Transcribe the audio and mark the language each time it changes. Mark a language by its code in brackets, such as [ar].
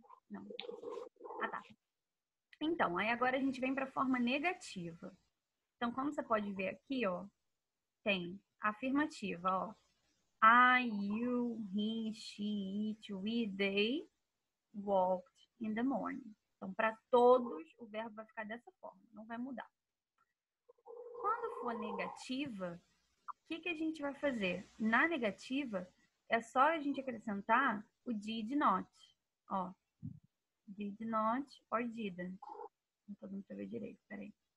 [pt] Não. Ah, tá. Então, aí agora a gente vem para a forma negativa. Então, como você pode ver aqui, ó, tem afirmativa, ó. [en] I, you, he, she, it, we, they walked in the morning. [pt] Então, para todos, o verbo vai ficar dessa forma, não vai mudar. Quando for negativa, o que, que a gente vai fazer? Na negativa, É só a gente acrescentar o did not, ó. [en] Did not or didn't. [pt] Não tô dando pra ver direito, peraí.